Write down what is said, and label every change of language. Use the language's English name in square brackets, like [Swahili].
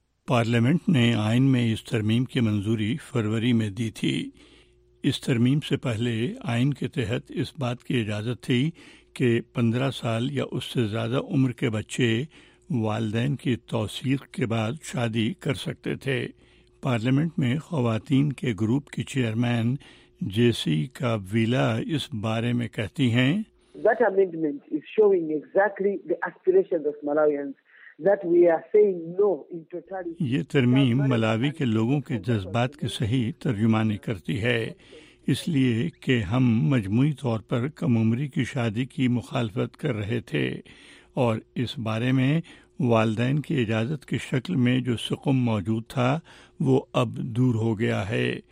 [Urdu] Parliament نے آئین میں اس ترمیم کی منظوری فروری میں دی تھی۔ اس ترمیم سے پہلے آئین کے تحت اس بات کی اجازت تھی کہ 15 سال یا اس سے زیادہ عمر کے بچے والدین کی توثیق کے بعد شادی کر سکتے تھے۔ پارلیمنٹ میں خواتین کے گروپ کی چیئرمین جیسی کا ویلا اس بارے میں کہتی ہیں، [English] That amendment is showing exactly the aspirations of Malawians that we are saying no in totality. [Urdu] یہ ترمیم ملاوی کے لوگوں کے جذبات کی صحیح ترجمانی کرتی ہے، اس لیے کہ ہم مجموعی طور پر کم عمری کی شادی کی مخالفت کر رہے تھے اور اس بارے میں والدین کی اجازت کی شکل میں جو سقم موجود تھا وہ اب دور ہو گیا ہے۔